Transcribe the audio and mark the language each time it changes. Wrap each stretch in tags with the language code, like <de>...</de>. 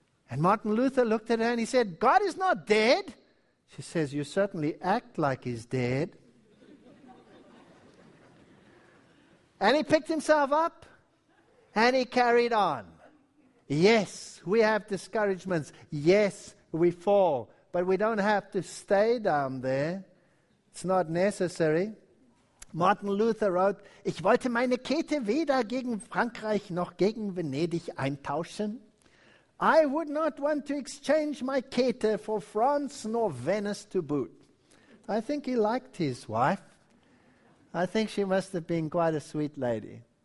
<en>And Martin Luther looked at her and he said, "God is not dead." She says, "You certainly act like he's dead." And he picked himself up and he carried on. Yes, we have discouragements. Yes, we fall. But we don't have to stay down there. It's not necessary. Martin Luther wrote,</en> <de>"Ich wollte meine Kette weder gegen Frankreich noch gegen Venedig eintauschen.</de> <en>I would not want to exchange my Kette for France nor Venice to boot." I think he liked his wife. I think she must have been quite a sweet lady.</en>